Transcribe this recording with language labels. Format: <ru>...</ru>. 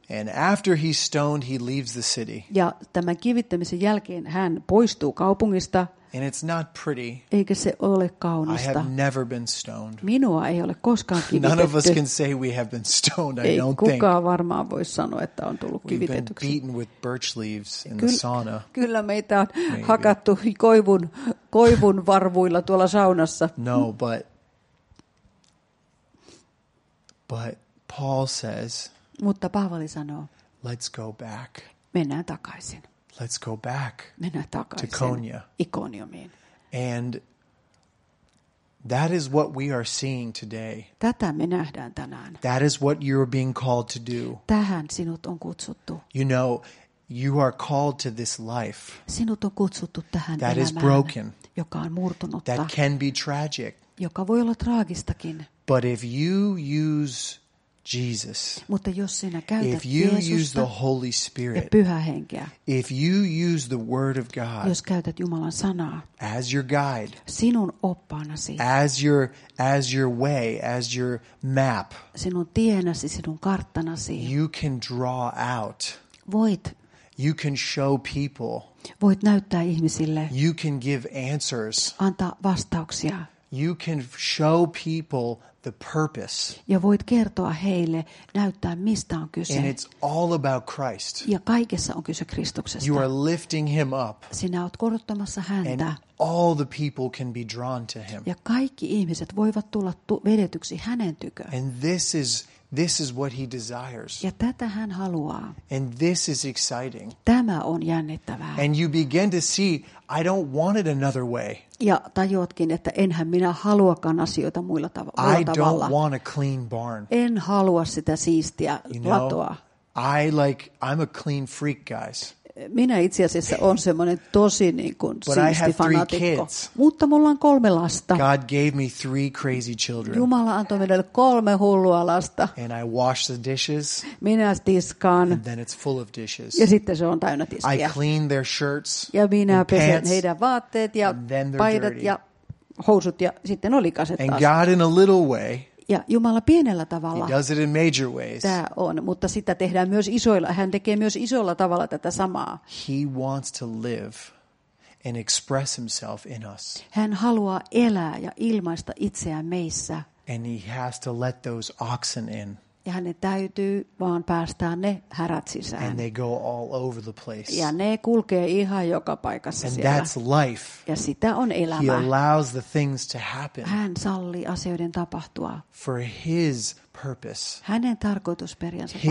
<en>And after he's stoned, he leaves the city.</en> <fi>Ja tämän kivittämisen jälkeen hän poistuu kaupungista.</fi> <en>And it's not pretty.</en> <fi>Eikä se ole kaunista.</fi> <en>I have never been stoned.</en> <fi>Minua ei ole koskaan kivitetty.</fi> <en>None of us can say we have been stoned, I don't think.</en> <fi>Ei kukaan varmaan voi sanoa, että on tullut kivitetyksi.</fi> <en>We've been beaten with birch leaves in the sauna.</en> <fi>Kyllä meitä on hakattu koivun varvuilla tuolla saunassa.</fi> <en>No, but Paul says.</en> <fi>Mutta Paavali sanoo.</fi> <en>Let's go back.</en> <fi>Mennään takaisin.</fi> <en>Let's go back to Konya. Ikoniumiin. And that is what we are seeing today.</en> <fi>Tätä me nähdään tänään.</fi> <en>That is what you're being called to do.</en> <fi>Tähän sinut on kutsuttu.</fi> <en>You know, you are called to this life.</en> <fi>Sinut on kutsuttu tähän</fi> <en>that</en> <fi>elämään,</fi> <en>is broken.</en> <fi>Joka on murtunutta.</fi> <en>That can be tragic.</en> <fi>Joka voi olla traagistakin.</fi> <en>But if you use Jesus.</en> <fi>Mutta jos sinä käytät</fi> <en>if you use the Holy Spirit,</en> <fi>ja Pyhää Henkeä,</fi> <en>if you use the Word of God,</en> <fi>jos käytät Jumalan sanaa,</fi> <en>as your guide,</en> <fi>sinun oppaanasi,</fi> <en>as your way, as your map,</en> <fi>sinun tienasi, sinun karttanasi,</fi> <en>you can draw out,</en> <fi>voit,</fi> <en>you can show people,</en> <fi>voit näyttää ihmisille,</fi> <en>you can give answers,</en> <fi>antaa vastauksia,</fi> <en>you can show people the purpose.</en> <fi>Ja voit kertoa heille, näyttää mistä on kyse.</fi> <en>And it's all about Christ.</en> <fi>Ja kaikessa on kyse Kristuksesta.</fi> <en>You are lifting him up.</en> <fi>Sinä olet korottamassa häntä.</fi> <en>And all the people can be drawn to him.</en> <fi>Ja kaikki ihmiset voivat tulla vedetyksi hänen tyköön.</fi> <en>And this is what he desires.</en> <fi>Ja tätä hän haluaa.</fi> <en>And this is exciting.</en> <fi>Tämä on jännittävää.</fi> <en>And you begin to see, I don't want it another way.</en> <fi>Ja tajuatkin, että enhän minä haluakaan asioita muilla tavalla.</fi> <en>I don't want a clean barn.</en> <fi>En halua sitä siistiä latoa.</fi> <en>I'm a clean freak, guys.</en> <fi>Minä itse asiassa on semmoinen tosi niin kuin siisti fanaatikko. Mutta mulla on kolme lasta.</fi> <en>God gave me three crazy children.</en> <fi>Jumala antoi minulle kolme hullua lasta.</fi> <en>And I wash the dishes.</en> <fi>Minä tiskaan.</fi> <en>And then it's full of dishes.</en> <fi>Ja sitten se on täynnä tiskiä.</fi> <en>I clean their shirts.</en> <fi>Ja minä pesen heidän vaatteet ja paidat ja housut ja sitten on likaset taas.</fi> <en>And God in a little way.</en> <fi>Ja Jumala pienellä tavalla.</fi> <en>He does it in major ways.</en> <fi>Tämä on, mutta sitä tehdään myös isoilla. Hän tekee myös isolla tavalla tätä samaa.</fi> <en>He wants to live and express himself in us.</en> <fi>Hän haluaa elää ja ilmaista itseään meissä.</fi> <en>And he has to let those oxen in.</en> <fi>Ja hänen täytyy vaan päästää ne härät sisään.</fi> <en>And they go all over the place.</en> <fi>Ja ne kulkee ihan joka paikassa</fi> <en>and</en> <fi>siellä.</fi> <en>That's life.</en> <fi>Ja sitä on elämä.</fi> <en>He allows the things to happen.</en> <fi>Hän sallii asioiden tapahtua.</fi> <en>For his purpose.</en> <fi>Hänen tarkoitusperiansa varten.</fi>